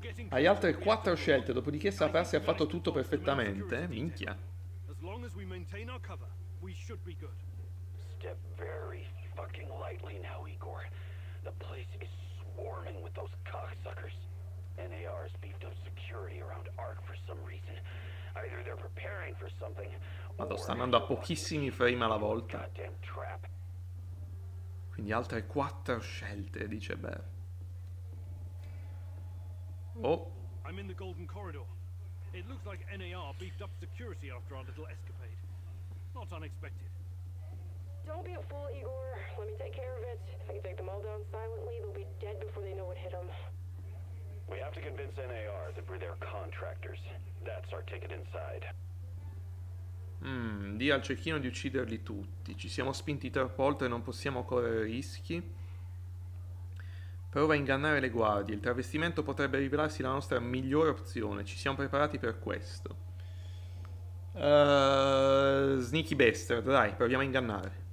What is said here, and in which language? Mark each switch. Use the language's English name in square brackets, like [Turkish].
[Italian] Hai altre 4 scelte, dopodiché saprà se ha fatto tutto perfettamente. Minchia. [English] As long as we maintain our cover, we should be good. Step very fucking lightly now, Igor. The place is swarming with those cocksuckers. NAR has beefed up security around Ark for some reason. Either they're preparing for something. [Italian] Ma lo sta andando a pochissimi frame alla volta. Quindi altre 4 scelte, dice Bear. Oh. [English] I'm in the Golden Corridor. It looks like NAR beefed up security after our little escapade. Not unexpected. Don't be a fool, Igor. Let me take care of it. If I can take them all down silently, they'll be dead before they know what hit them. We have to convince NAR that we're their contractors. That's our ticket inside. [Italian] Dì al cecchino di ucciderli tutti. Ci siamo spinti troppo oltre e non possiamo correre rischi. Prova a ingannare le guardie. Il travestimento potrebbe rivelarsi la nostra migliore opzione. Ci siamo preparati per questo. [English] Sneaky bastard, [Italian] dai, proviamo a ingannare.